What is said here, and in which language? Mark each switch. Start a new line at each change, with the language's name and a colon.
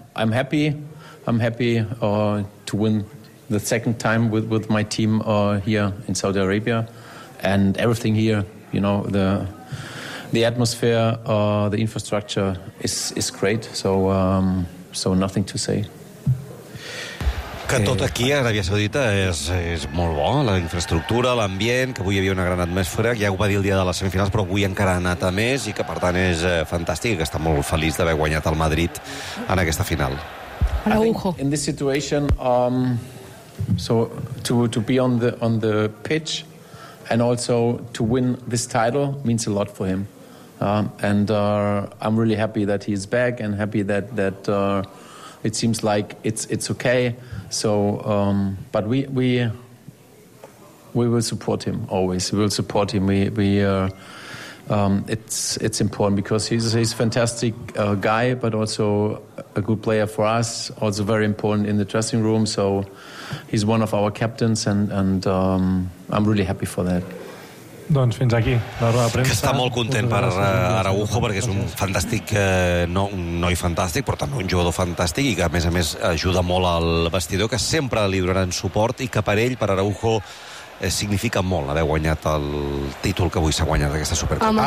English: happy to win the second time with my team here in Saudi Arabia, and everything here, you know, the atmosphere, the infrastructure is great, so nothing to say.
Catalan: Que tot aquí a Aràbia Saudita és molt bo, la infraestructura, l'ambient, que avui hi havia una gran atmosfera, ja ho va dir el dia de les semifinals, però avui encara ha anat a més, i que per tant és fantàstic, que està molt feliç d'haver guanyat el Madrid en aquesta final.
English: Araujo. In this situation, so to be on the pitch and also to win this title means a lot for him. I'm really happy that he's back, and happy that it seems like it's okay. So, but we will support him always. We will support him. It's important, because he's a fantastic guy, but also a good player for us. Also very important in the dressing room. So, he's one of our captains, and I'm really happy for that.
Catalan: Doncs fins aquí la roda de premsa. Que està molt content per Araujo, perquè és un fantàstic, no hi fantàstic, però també un jugador fantàstic, i que a més ajuda molt al vestidor, que sempre li donaran suport, i que per ell, per Araujo, significa molt haver guanyat el títol que avui s'ha guanyat d'aquesta Supercopa.